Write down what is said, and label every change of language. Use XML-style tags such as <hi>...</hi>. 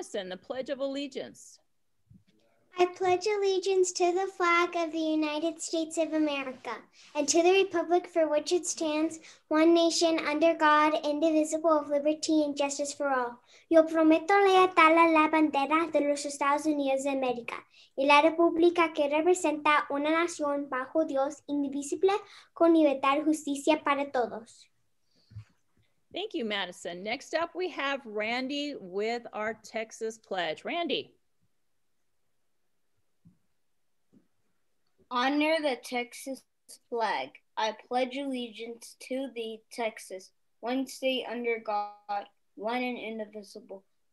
<en>The Pledge of Allegiance. I pledge allegiance to the flag of the United States of America and to the Republic for which it stands, one nation under God, indivisible, of liberty and justice for all.</en> <es>Yo prometo lealtad a la bandera de los Estados Unidos de América y la República que representa una nación bajo Dios, indivisible, con libertad y justicia para todos.</es> <en>Thank you, Madison. Next up, we have Randy with our Texas Pledge. Randy. Honor the Texas flag. I pledge allegiance to the Texas, one state under God, one and indivisible.</en>